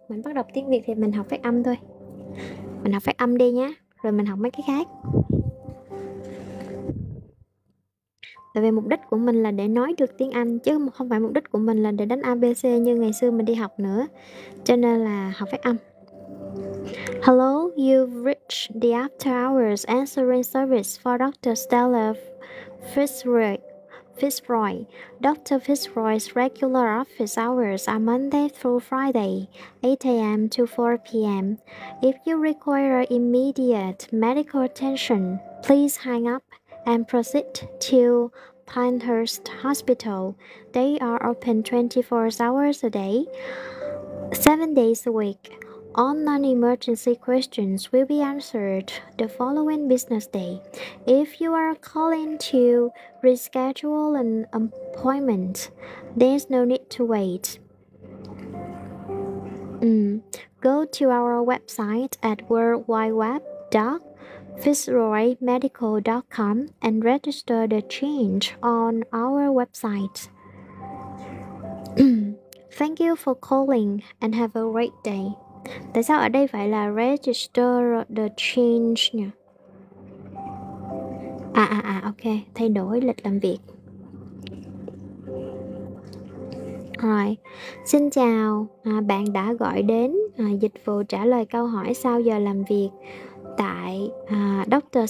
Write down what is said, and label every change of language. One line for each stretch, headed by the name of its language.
Vietnamese: Mình bắt đầu tiếng Việt thì mình học phát âm thôi. Mình học phát âm đi nhé. Rồi mình học mấy cái khác. Tại vì mục đích của mình là để nói được tiếng Anh, chứ không phải mục đích của mình là để đánh ABC như ngày xưa mình đi học nữa. Cho nên là học phát âm.
English: Hello, you've reached the after hours answering service for Dr. Stella Fitzroy. Fitzroy. Dr. Fitzroy's regular office hours are Monday through Friday, 8 a.m. to 4 p.m. If you require immediate medical attention, please hang up and proceed to Pinehurst Hospital. They are open 24 hours a day, 7 days a week. All non-emergency questions will be answered the following business day. If you are calling to reschedule an appointment, there's no need to wait. Go to our website at www.fitzroymedical.com and register the change on our website. Thank you for calling and have a great day.
Vietnamese: Tại sao ở đây phải là
English: register the change
Vietnamese: nhỉ? Ok, thay đổi lịch làm việc. Rồi, xin chào, bạn đã gọi đến dịch vụ trả lời câu hỏi sau giờ làm việc tại Dr.